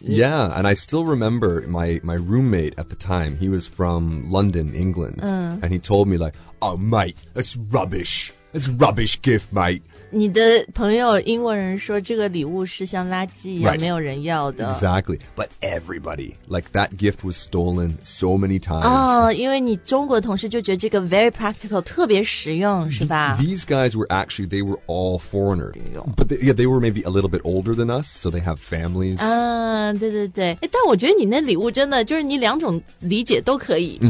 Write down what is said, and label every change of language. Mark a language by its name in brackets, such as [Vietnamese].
[English] yeah and I still remember my roommate at the time he was from London England、and he told me likeOh, mate, it's rubbish. It's rubbish gift, mate. [Chinese] 你的朋友英文人说这个礼物是像垃圾一样、 [English] right. [Chinese] 没有人要的。 [English] Exactly. But everybody, like that gift was stolen so many times. [Chinese] 因为你中国同事就觉得这个 [English] very practical, [Chinese] 特别实用是吧 [English] These guys were actually, they were all foreigners. But they were maybe a little bit older than us, so they have families. [Chinese] 对对对。但我觉得你那礼物真的就是你两种理解都可以。